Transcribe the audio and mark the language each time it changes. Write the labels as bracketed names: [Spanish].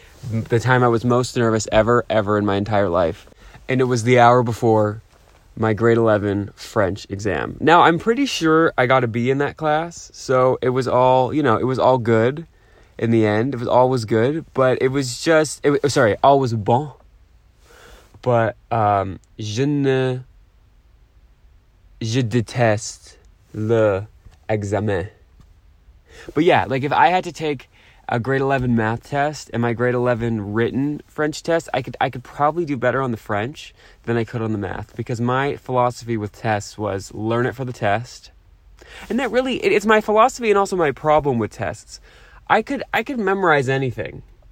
[English] the time I was most nervous ever in my entire life. And it was the hour before my grade 11 French exam. Now, I'm pretty sure I got a B in that class. So it was all, you know, it was all good in the end. It was all was good, but it was just, it was, sorry, all was bon. But [French] je déteste le examen. [English] But yeah, like if I had to take a grade 11 math test and my grade 11 written French test, I could probably do better on the French than I could on the math, because my philosophy with tests was learn it for the test. And that really, it's my philosophy and also my problem with tests. I could memorize anything.